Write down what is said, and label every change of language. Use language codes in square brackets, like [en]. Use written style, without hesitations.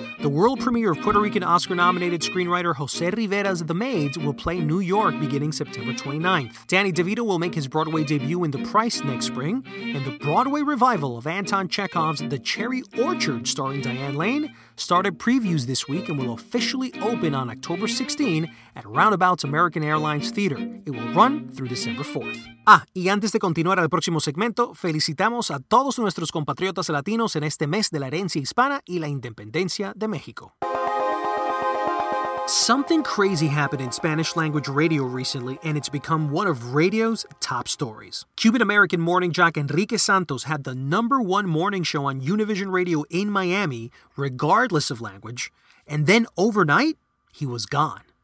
[en] The world premiere of Puerto Rican Oscar-nominated screenwriter Jose Rivera's The Maids will play New York beginning September 29th. Danny DeVito will make his Broadway debut in The Price next spring. And the Broadway revival of Anton Chekhov's The Cherry Orchard, starring Diane Lane, started previews this week and will officially open on October 16 at Roundabout's American Airlines Theater. It will run through December 4th. [es] Ah, y antes de continuar al próximo segmento, felicitamos a todos nuestros compatriotas latinos en este mes de la herencia hispana y la independencia de México. [en] Something crazy happened in Spanish language radio recently, and it's become one of radio's top stories. Cuban-American morning jock Enrique Santos had the number one morning show on Univision Radio in Miami, regardless of language, and then overnight, he was gone.